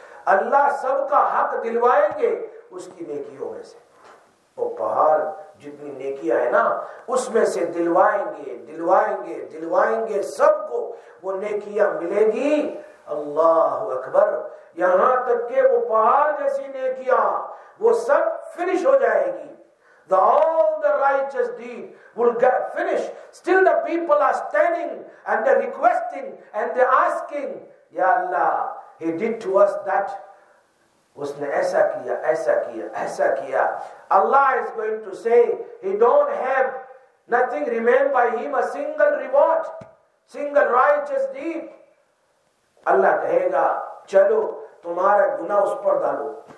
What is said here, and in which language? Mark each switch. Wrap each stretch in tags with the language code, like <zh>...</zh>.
<hi>अल्लाह सबका हक दिलवाएंगे उसकी नेकियों में से, वो पहाड़ जितनी नेकियां है ना उसमें से दिलवाएंगे दिलवाएंगे दिलवाएंगे सबको, वो नेकियां मिलेगी। अल्लाहु अकबर, यहां तक के वो पहाड़ जैसी नेकियां वो सब फिनिश हो जाएगी।</hi> <en>The all the righteous deed will get finished. Still the people are standing and they're requesting and they're asking, Ya Allah, He did to us that.</en> <hi>उसने ऐसा किया ऐसा किया ऐसा किया.</hi> <en>Allah is going to say he don't have nothing remain by him a single reward single righteous deed.</en> <hi>अल्लाह कहेगा चलो तुम्हारा गुना उस पर डालो.</hi>